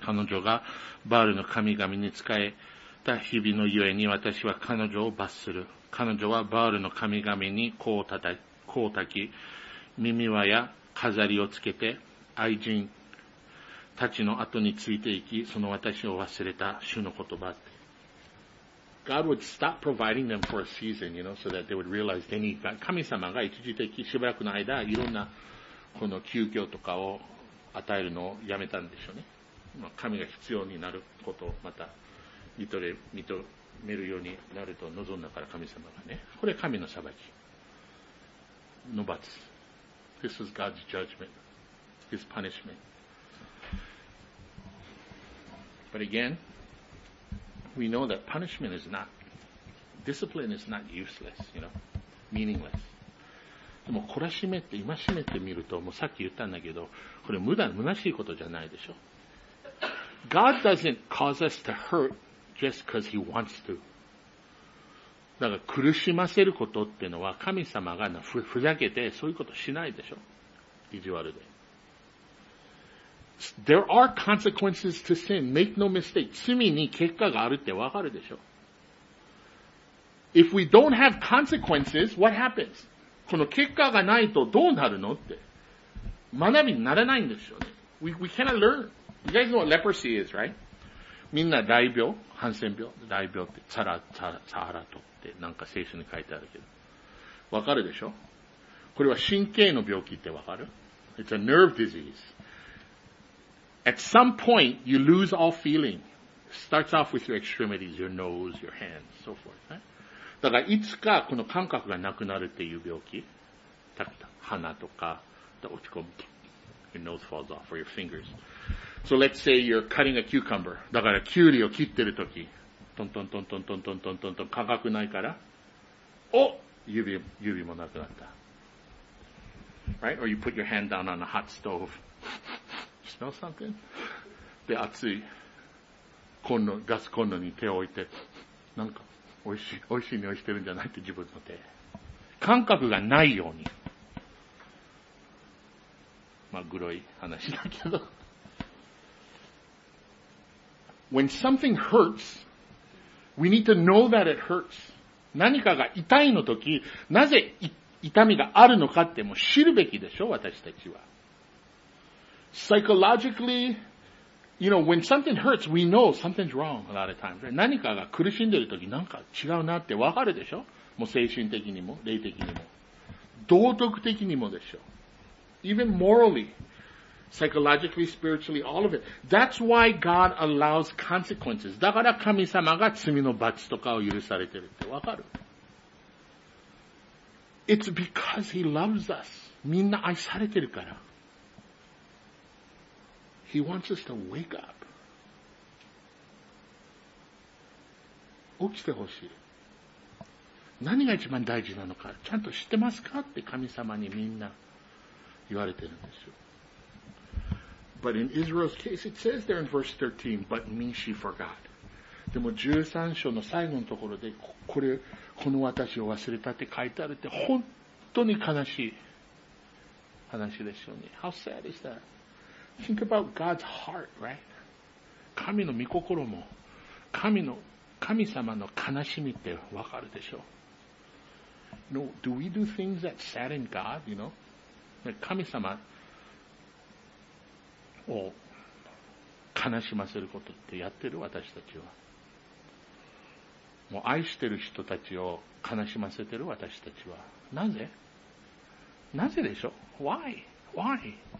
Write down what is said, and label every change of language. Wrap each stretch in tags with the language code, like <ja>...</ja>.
<ja>彼女がバールの神々に仕えた日々のゆえに私は彼女を罰する。彼女はバールの神々に甲を焚き、耳輪や飾りをつけて愛人たちの後についていき、その私を忘れた主の言葉って。</ja> <en>God would stop providing them for a season, you know, so that they would realize they need God.</en> <ja>神様が一時的しばらくの間、いろんなこの休業とかを与えるのをやめたんでしょうね。まあ、神が必要になることをまた認めるようになると望んだから神様がね。これ神の裁き。の罰。</ja> <en>This is God's judgment. His punishment. But again,We know that punishment is not, discipline is not useless, you know, meaningless.</en> <ja>でも、懲らしめって、戒めって見ると、もうさっき言ったんだけど、これ無駄、虚しいことじゃないでしょ。</ja> <en>God doesn't cause us to hurt just because He wants to.</en> <ja>だから、苦しませることっていうのは、神様がふざけて、そういうことしないでしょ。意地悪で。</ja> <en>There are consequences to sin. Make no mistake.</en> <ja>罪に結果があるってわかるでしょ。</ja> <en>If we don't have consequences, what happens?</en> <ja>この結果がないとどうなるのって。学びにならないんですよね。</ja> <en>We cannot learn. You guys know what leprosy is, right?</en> <ja>みんな大病、ハンセン病、大病って、サハラとってなんか聖書に書いてあるけど。わかるでしょ。これは神経の病気ってわかる。</ja> <en>It's a nerve disease. At some point, you lose all feeling. Starts off with your extremities, your nose, your hands, so forth.、Right?</en> <ja>だからいつかこの感覚がなくなるっていう病気。鼻とか、落ち込む。</ja> <en>Your nose falls off, or your fingers. So let's say you're cutting a cucumber.</en> <ja>だからキュウリを切ってるとき。トントントントントントントントントン、価格ないから、お、指もなくなった。</ja> <en>Right? Or you put your hand down on a hot stove. Smell something?</en> <ja>で、熱いコンロ、ガスコンロに手を置いて、なんか、美味しい匂いしてるんじゃないって自分の手。感覚がないように。まあ、グロい話だけど。</ja> <en>When something hurts, we need to know that it hurts.</en> <ja>何かが痛いの時、なぜ痛みがあるのかってもう知るべきでしょ、私たちは。</ja> <en>Psychologically, you know, when something hurts, we know something's wrong a lot of times.</en> <ja>何かが苦しんでる時、なんか違うなってわかるでしょ、もう精神的にも、霊的にも。道徳的にもでしょ。</ja> <en>Even morally. Psychologically, spiritually, all of it. That's why God allows consequences.</en> <ja>だから神様が罪の罰とかを許されてるってわかる?</ja> <en>It's because He loves us.</en> <ja>みんな愛されてるから。</ja> <en>He wants us to wake up.</en> <ja>起きてほしい。何が一番大事なのか、ちゃんと知ってますかって神様にみんな言われてるんですよ。</ja> <en>But in Israel's case, it says there in verse 13, but me she forgot.</en> <ja>でも13章の最後のところで、これ、この私を忘れたって書いてあるって、本当に悲しい話ですよね。</ja> <en>How sad is that? Think about God's heart, right?</en> <ja>神の御心も、神様の悲しみってわかるでしょ。</ja> <en>You know, do we do things that sadden God, you know?</en> <ja>Like 神様、を悲しませることってやってる私たちは。もう愛してる人たちを悲しませてる私たちは。なぜ?なぜでしょ?</ja> <en>Why? Why?</en>